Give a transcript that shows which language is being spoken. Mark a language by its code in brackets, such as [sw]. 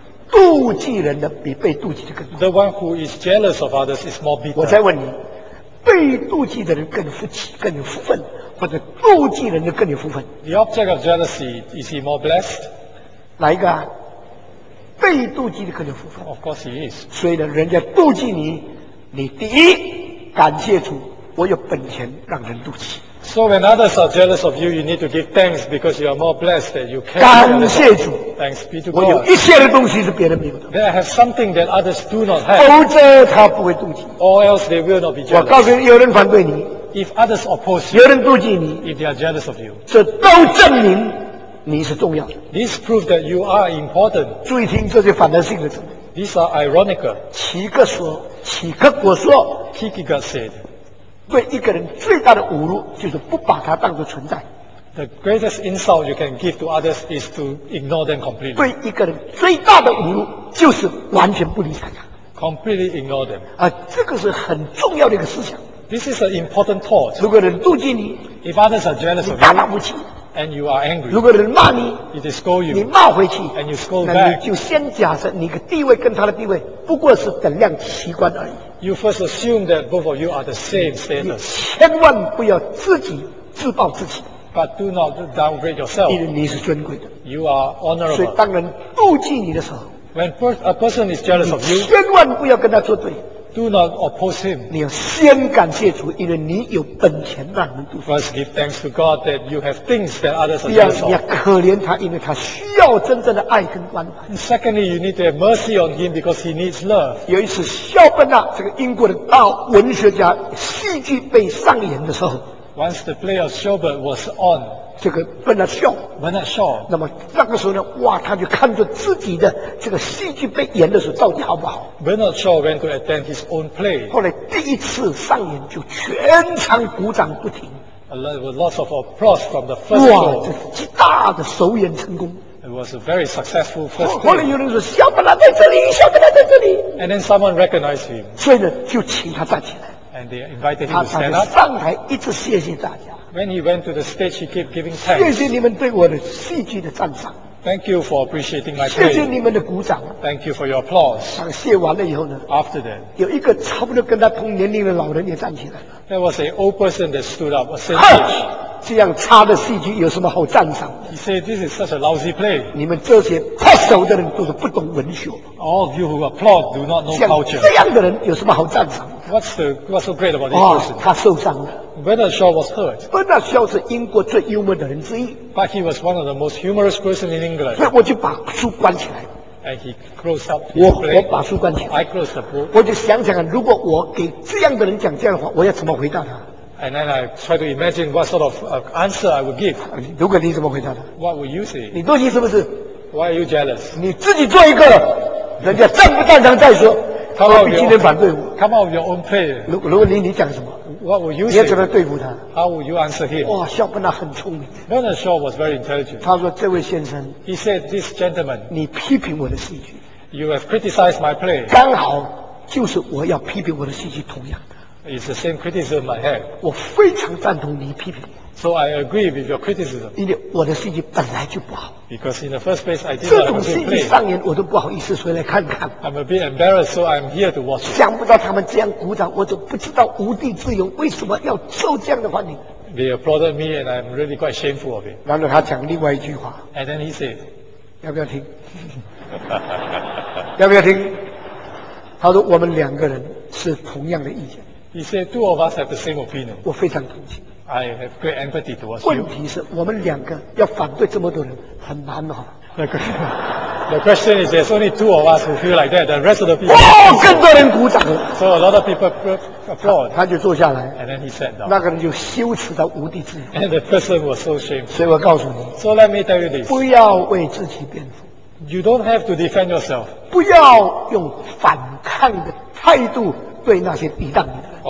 [zh] 妒忌人的比被妒忌的更苦。 [en] The one who is jealous of others is more bitter. [zh] 我再问你，被妒忌的人更福气，更有福分，或者妒忌人的更有福分？ [en] The object of jealousy, is he more blessed? [zh] 哪一个啊？被妒忌的更有福分。 [en] Of course he is. [zh] 所以呢，人家妒忌你，你第一感谢主，我有本钱让人妒忌。 [en] So when others are jealous of you, you need to give thanks because you are more blessed that you can. [zh] 感谢主。 [en] Thanks be to God. [zh] 我有一切的东西是别人没有的。 [en] There have something that others do not have. [zh] 否则他不会妒忌。 [en] Or else they will not be jealous. [zh] 我告诉你，有人反对你。 [en] If others oppose you. [zh] 有人妒忌你。 [en] If they are jealous of you. [zh] 这都证明你是重要的。 [en] This proves that you are important. [zh] 注意听这些反对性的证明。 [en] These are ironical. [zh] 齐格说，齐格果说。 [en] Kierkegaard said. [zh] 对一个人最大的侮辱就是不把他当作存在。 [en] The greatest insult you can give to others is to ignore them completely. [zh] 对一个人最大的侮辱就是完全不理睬他。 [en] Completely ignore them. [zh] 啊，这个是很重要的一个思想。 [en] This is an important thought. [zh] 如果人妒忌你， [en] if others are jealous of you, [zh] 你大骂不起。 [en] And you are angry. [zh] 如果人骂你， [en] if they scold you, [zh] 你骂回去。 [en] And you scold back. [zh] 那你就先假设你的地位跟他的地位不过是等量齐观而已。 [en] You first assume that both of you are the same status. [zh] 千万不要自己自暴自弃。 [en] But do not downgrade yourself. [zh] 因为你是尊贵的。 [en] You are honorable. [zh] 所以当人妒忌你的时候， [en] when a person is jealous of you, [zh] 千万不要跟他作对。 [en] Do not oppose him. [zh] 你要先感谢主，因为你有本钱让人读书。 [en] First, give thanks to God that you have things that others are not. [zh] 第二，你要可怜他，因为他需要真正的爱跟关怀。 [en] And secondly, you need to have mercy on him because he needs love. [zh] 有一次，肖邦啊，这个英国的大文学家，戏剧被上演的时候。 [en] Once the play of Schubert was on, [zh] 这个 Bernard Shaw, [en] Bernard Shaw, [zh] 那么那个时候呢，哇，他就看着自己的这个戏剧被演的时候到底好不好。 [en] Bernard Shaw went to attend his own play. [zh] 后来第一次上演就全场鼓掌不停。 [en] There was lots of applause from the first show. [zh] 哇，这是大的首演成功。 [en] It was a very successful first play. [zh] 后来有人说，肖邦在这里，肖邦在这里。 [en] And then someone recognized him. [zh] 所以呢，就请他站起来。 [en] And they invited him to stand up. [zh] 他上台一直谢谢大家。 [en] When he went to the stage, he kept giving thanks. [zh] 谢谢你们对我的戏剧的赞赏。 [en] Thank you for appreciating my praise. [zh] 谢谢你们的鼓掌。 [en] Thank you for your applause. [zh] 他谢完了以后呢 [en] ？After that, [zh] 有一个差不多跟他同年龄的老人也站起来了。 [en] There was an old person that stood up, a same age. [zh] 这样差的戏剧有什么好赞赏 [en] ？He said, "This is such a lousy play." [zh] 你们这些拍手的人都是不懂文学。 [en] All of you who applaud do not know culture. [zh] 像这样的人有什么好赞赏？ [en] What's so great about this person? [zh] 他受伤了。 [en] Bernard Shaw was hurt. [zh] Bernard Shaw 是英国最幽默的人之一。 [en] But he was one of the most humorous person in England. [zh] 所以我就把书关起来。 [en] And he closed up. [zh] 我把书关起来。 [en] I closed the book. [zh] 我就想想，如果我给这样的人讲这样的话，我要怎么回答他？ [en] And then I try to imagine what sort of answer I would give. [zh] 如果你怎么回答他？ [en] What would you say? [zh] 你妒忌是不是？ [en] Why are you jealous? [zh] 你自己做一个，人家赞不赞赏再说。 [en] Come out, [zh] 何必今天反对我 [en] ？Come out of your own play. [zh] 如果你讲什么 [en] ？What would you say? [zh] 你要怎么对付他 [en] ？How would you answer him? [zh] 哇，肖邦很聪明。 [en] Bernard Shaw was very intelligent. [zh] 他说：“这位先生 [en] ，He said, this gentleman, [zh] 你批评我的戏剧 [en] ，You have criticized my play. [zh] 刚好就是我要批评我的戏剧同样的。 [en] It's the same criticism I have. [zh] 我非常赞同你批评。 [en] So I agree with your criticism. [zh] 因为我的戏剧本来就不好。 [en] Because in the first place, I did not play. [zh] 这种戏剧上演，我都不好意思回来看看。 [en] I'm a bit embarrassed, so I'm here to watch. [zh] 想不到他们这样鼓掌，我就不知道无地自容，为什么要受这样的欢迎 [en] ？They applauded me, and I'm really quite shameful of it. [zh] 然后他讲另外一句话。 [en] And then he said, [zh] 要不要听？要不要听？他说我们两个人是同样的意见。 [en] He said, two of us have the same opinion. [zh] 我非常同情。 [en] I have great empathy towards you. [zh] 问题是我们两个要反对这么多人很难哦。 [en] The question is there's only two of us who feel like that. The rest of the people. [zh] 更多人鼓掌。 [en] So a lot of people applaud. [zh] 他就坐下来。 [en] And then he sat down. [zh] 那个人就羞耻到无地自容。 [en] And the person was so shameful. [zh] 所以我告诉你。 [en] So let me tell you this. [zh] 不要为自己辩护。 [en] You don't have to defend yourself. [zh] 不要用反抗的态度对那些抵挡你的。